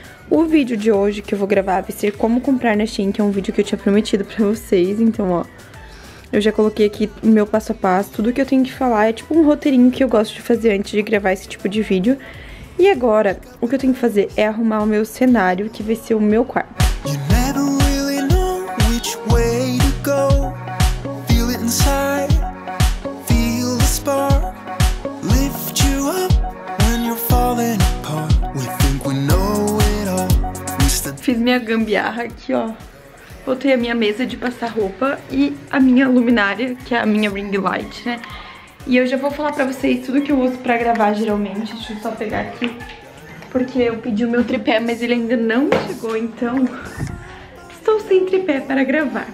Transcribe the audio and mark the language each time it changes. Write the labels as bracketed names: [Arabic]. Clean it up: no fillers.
[Portuguese] O vídeo de hoje que eu vou gravar vai ser como comprar na Shein, que é um vídeo que eu tinha prometido pra vocês. Então, ó, eu já coloquei aqui o meu passo a passo, tudo que eu tenho que falar. É tipo um roteirinho que eu gosto de fazer antes de gravar esse tipo de vídeo. E agora, o que eu tenho que fazer é arrumar o meu cenário, que vai ser o meu quarto. [English] You never really know which way to go. Feel it inside, feel the spark. Lift you up when you're falling apart. We think we know it all. [Portuguese] Fiz minha gambiarra aqui, ó. Botei a minha mesa de passar roupa e a minha luminária, que é a minha ring light, né? E eu já vou falar pra vocês tudo que eu uso pra gravar geralmente. Deixa eu só pegar aqui, porque eu pedi o meu tripé, mas ele ainda não chegou, então estou sem tripé para gravar.